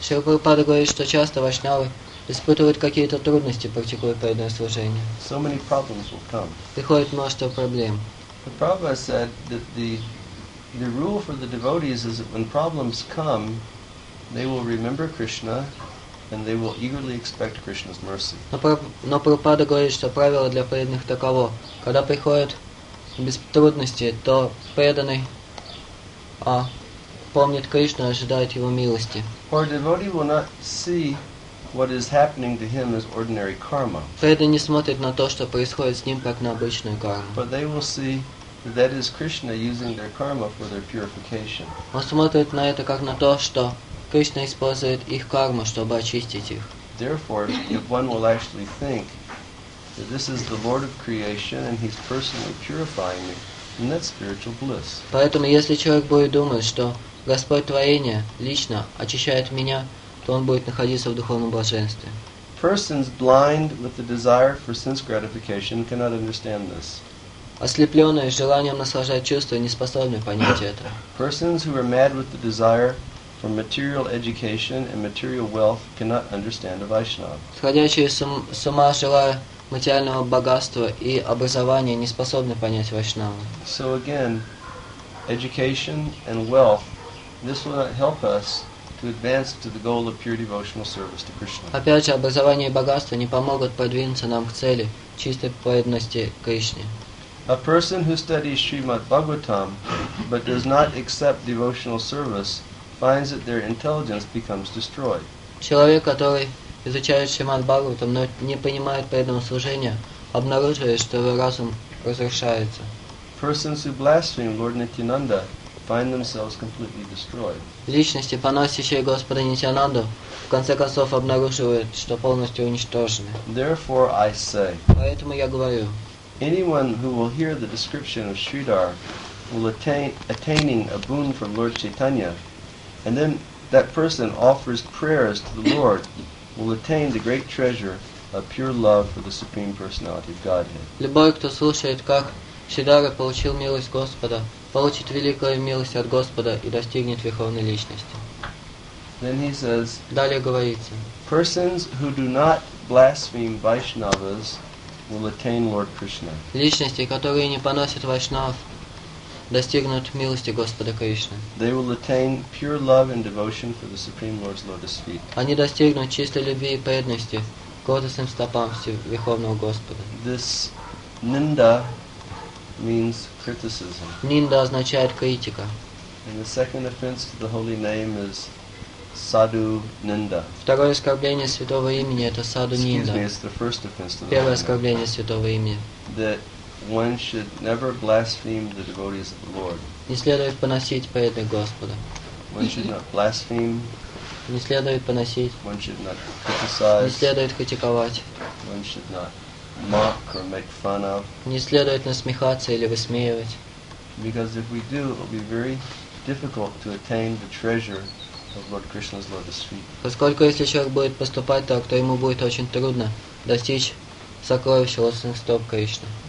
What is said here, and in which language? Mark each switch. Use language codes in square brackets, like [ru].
[ru] Шрила Прабхупада говорит, что часто вайшнавы испытывают какие-то трудности, практикуя преданное служение. [en] So many problems will come. [ru] Приходит множество проблем. [en] The Prabhupada said that the rule for the devotees is that when problems come, they will remember Krishna and they will eagerly expect Krishna's mercy. [ru] Но Прабхупада говорит, что правило для преданных таково: когда приходят без трудности, то преданный помнит Кришну, ожидает его милости. [en] Or a devotee will not see what is happening to him as ordinary karma. [ru] Преданный не смотрит на то, что происходит с ним, как на обычную карму. [en] But they will see that is Krishna using their karma for their purification. [ru] Он смотрит на это как на то, что Кришна использует их карму, чтобы очистить их. [en] Therefore, if one will actually think that this is the Lord of creation and he's personally purifying me, then that's spiritual bliss. [ru] Поэтому, если человек будет думать, что Господь творение лично очищает меня, то он будет находиться в духовном блаженстве. [en] Persons blind with the desire for sense gratification cannot understand this. [ru] Ослепленные желанием наслаждать чувства не способны понять это. [en] Persons who are mad with the desire for material education and material wealth cannot understand a Vaishnava. [ru] Сходящие с ума, желая материального богатства и образования, не способны понять Вайшнава. [en] So again, education and wealth, this will not help us to advance to the goal of pure devotional service to Krishna. [ru] Опять же, образование и богатство не помогут продвинуться нам к цели чистой преданности Кришне. [en] A person who studies Srimad Bhagavatam but does not accept devotional service finds that their intelligence becomes destroyed. [ru] Человек, который изучает Шримад Бхагаватам, но не понимает преданного служения, обнаруживает, что его разум разрушается. [en] Persons who blaspheme Lord Nityananda find themselves completely destroyed. [ru] Личности, поносящие Господа Нитянанду, в конце концов обнаруживают, что полностью уничтожены. [en] Therefore I say. [ru] Поэтому я говорю. [en] Anyone who will hear the description of Sridhar will attaining a boon from Lord Chaitanya, and then that person offers prayers to the Lord, will attain the great treasure of pure love for the Supreme Personality of Godhead. [ru] Любой, кто слушает, как Шридхара получил милость Господа, получит великую милость от Господа и достигнет Верховной Личности. [en] Then he says, [ru] далее говорится, [en] persons who do not blaspheme Vaishnavas will attain Lord Krishna. [ru] Личности, которые не поносят Вайшнав, достигнут милости Господа Кришны. [en] They will attain pure love and devotion for the Supreme Lord's lotus feet. [ru] Они достигнут чистой любви и преданности к лотосным стопам Верховного Господа. [en] This ninda means criticism. [ru] Нинда означает критика. [en] And the second offense to the holy name is sadhu ninda. [ru] Второе оскорбление святого имени — это саду нинда. [en] Excuse me, it's the first offense to the holy [ru] name. Первое оскорбление святого имени. [en] One should never blaspheme the devotees of the Lord. [ru] Не следует поносить преданных Господа. [en] One should not blaspheme. [ru] Не следует поносить. [en] One should not criticize. [ru] Не следует критиковать. [en] One should not mock or make fun of. [ru] Не следует насмехаться или высмеивать. [en] Because if we do, it will be very difficult to attain the treasure of Lord Krishna's lotus feet. [ru] Поскольку если человек будет поступать так, то ему будет очень трудно достичь сокровища лотосных стоп Кришны.